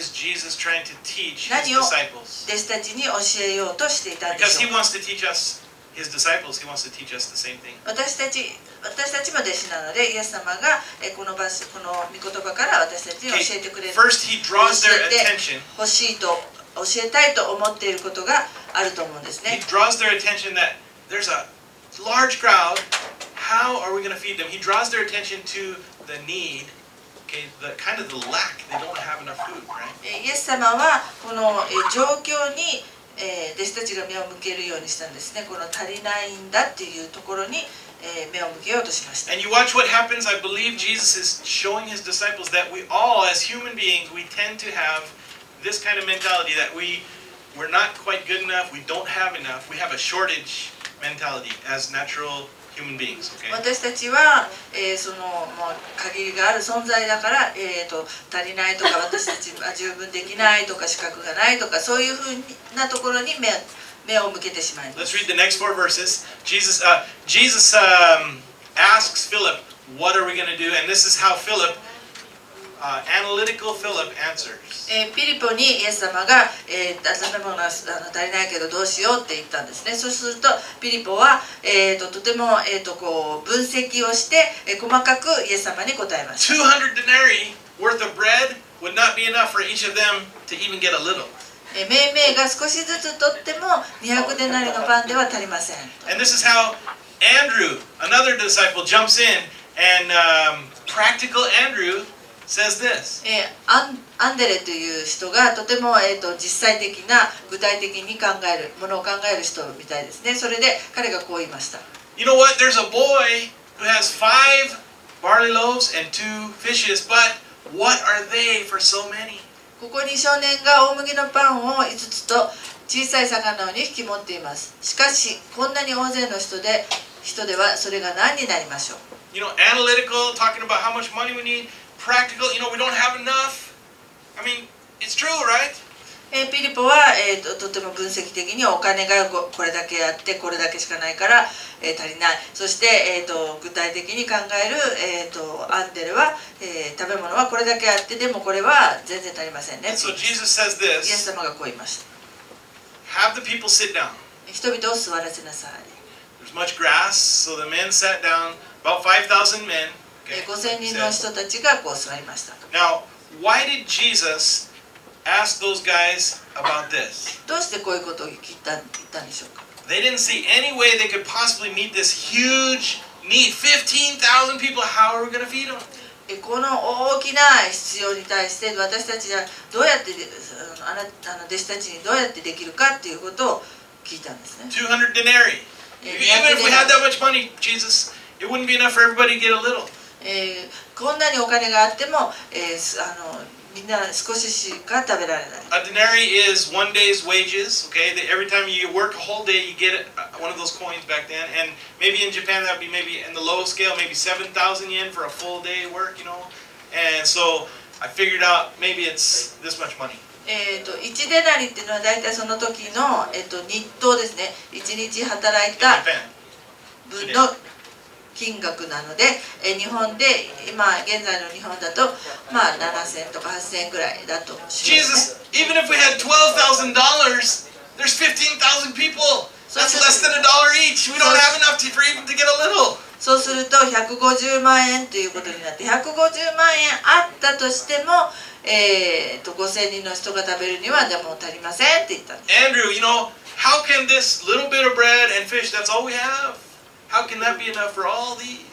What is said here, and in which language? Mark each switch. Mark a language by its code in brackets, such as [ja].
[en] What is Jesus trying to teach his disciples? [ja] 何を弟子たちに教えようとしていたんでしょう [en] Because he wants to teach us his disciples, he wants to teach us the same thing. [ja] 私たちも弟子なので、イエス様がこの場所この御言葉から私たちに教えてくれる。 [en] First, he draws their attention. [ja] 欲しいと教えたいと思っていることがあると思うんですね。 [en] He draws their attention that there's a large crowd. How are we going to feed them? He draws their attention to the need, okay, the kind of the lack. They don't have enough food, right? [ja] イエス様はこの状況に弟子たちが目を向けるようにしたんですね。この足りないんだっていうところに目を向けようとしました。 [en] And you watch what happens. I believe Jesus is showing his disciples that we all, as human beings, we tend to have this kind of mentality that we're not quite good enough. We don't have enough. We have a shortage mentality as natural. [ja] 私たちは、そのもう限りがある存在だから、足りないとか私たちは十分できないとか資格がないとかそういうふうなところに 目を向けてしまいます。 [en] Let's read the next four verses. Jesus asks Philip, "What are we going to do?" And this is how Philip, analytical Philip, answers. [ja] ピリポにイエス様が、食べ物が足りないけどどうしようって言ったんですね。そうするとピリポは、とても、こう分析をして、細かくイエス様に答えました。 [en] 200 denarii worth of bread would not be enough for each of them to even get a little. [ja] めいめいが少しずつ取っても200デナリのパンでは足りません。 [en] And this is how Andrew, another disciple, jumps in and practical Andrew says this. [ja] アンデレという人がとても実際的な具体的に考えるものを考える人みたいですね。それで彼がこう言いました。 [en] You know what? There's a boy who has 5 barley loaves and 2 fishes, but what are they for so many? [ja] ここに少年が大麦のパンを5つと小さい魚を2匹持っています。しかし、こんなに大勢の人ではそれが何になりましょう。 [en] You know, analytical, talking about how much money we need. Practical, you know, we don't have enough. I mean, it's true, right? [ja] ピリポは、とても分析的にお金がこれだけあってこれだけしかないから、足りない。そして、具体的に考える、アンデルは、食べ物はこれだけあってでもこれは全然足りませんね。 [en] So Jesus says this. [ja] イエス様がこう言いました。 [en] Have the people sit down. [ja] 人々を座らせなさい。 [en] There's much grass, so the men sat down. About 5,000 men. [ja] 5,000 人の人たちがこう座りました。 [en] Now, why did Jesus ask those guys about this? [ja] どうしてこういうことを聞いた、言ったんでしょうか? [en] They didn't see any way they could possibly meet this huge need. 15,000 people, how are we going to feed them? [ja] この大きな必要に対して私たちがどうやって、あの弟子たちにどうやってできるかっていうことを聞いたんですね。 [en] 200 denarii. Even if we had that much money, Jesus, it wouldn't be enough for everybody to get a little. [ja] こんなにお金があっても、みんな少ししか食べられない。 [en] A denarii is one day's wages, okay? Every time you work a whole day, you get one of those coins back then. And maybe in Japan, that would be maybe in the low scale, maybe 7,000 yen for a full day work, you know? And so I figured out maybe it's this much money. [ja] 1 denarii っていうのは大体その時の、日当ですね。 1日働いた分の金額なので、日本で今現在の日本だと、まあ、7,000 とか8,000くらいだとします、ね。 [en] Jesus, even if we had $12,000, there's 15,000 people. That's less than a dollar each. We don't have enough to, for even to get a little. [ja] そうすると150万円ということになって、150万円あったとしても、5,000 人の人が食べるにはでも足りませんって言ったんです。 [en] Andrew, you know, how can this little bit of bread and fish, that's all we have? How can that be enough for all these?